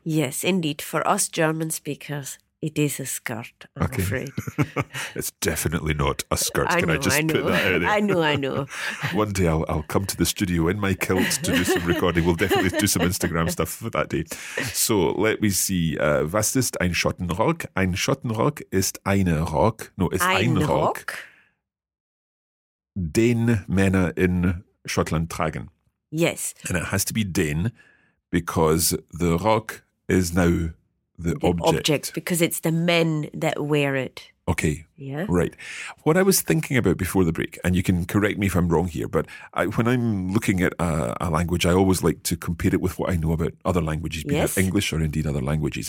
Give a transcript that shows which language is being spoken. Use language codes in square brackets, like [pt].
[en] Yes, indeed. For us German speakers, it is a skirt, I'm okay. afraid. It's definitely not a skirt. I know. I know. One day I'll come to the studio in my kilt to do some recording. We'll definitely do some Instagram stuff for that day. So let me see. [de] Was ist ein Schottenrock? Ein Schottenrock ist eine Rock. No, ist ein Rock. Den Männer in Schottland tragen. [en] Yes. And it has to be den because the rock is now The object, because it's the men that wear it. Okay, yeah, right. What I was thinking about before the break, and you can correct me if I'm wrong here, but when I'm looking at a language, I always like to compare it with what I know about other languages, be it English or indeed other languages.